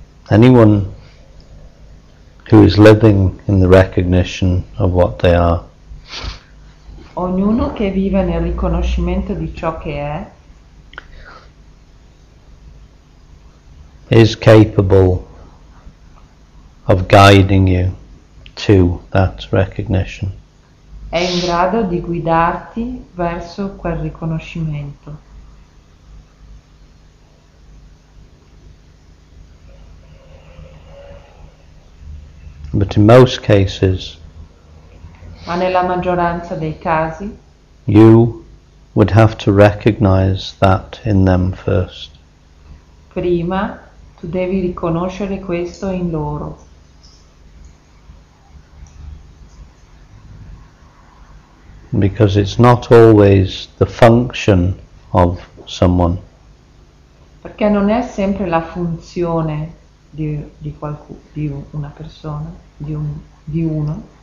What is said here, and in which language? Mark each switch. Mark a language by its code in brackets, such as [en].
[en] Anyone who is living in the recognition of what they are. [it] Ognuno che vive nel riconoscimento di ciò che è. [en] Is capable of guiding you to that recognition. [it] È in grado di guidarti verso quel riconoscimento. [en] But in most cases, [it] ma nella maggioranza dei casi, [en] you would have to recognize that in them first. [it] Prima tu devi riconoscere questo in loro. [en] Because it's not always the function of someone. [it] perché non è sempre la funzione di qualcuno, di una persona, di uno.